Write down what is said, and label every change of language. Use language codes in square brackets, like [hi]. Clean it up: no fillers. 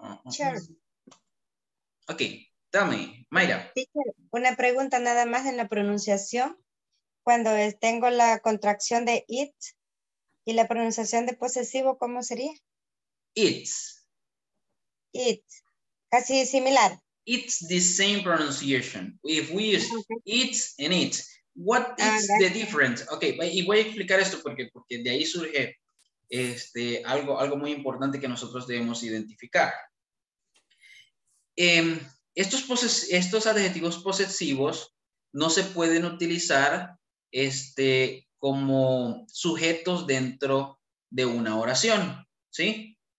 [en] Sure. Ok, tell me, Mayra. [es] Una pregunta nada más en la pronunciación. Cuando tengo la contracción de it y la pronunciación de posesivo, ¿cómo sería? [en] It's. [es] It. Casi similar. [en] It's the same pronunciation. If we use it and it, what is the difference? [es] Ok, y voy a explicar esto porque de ahí surge algo muy importante que nosotros debemos identificar. Estos adjetivos posesivos no se pueden utilizar como sujetos dentro de una oración, ¿sí?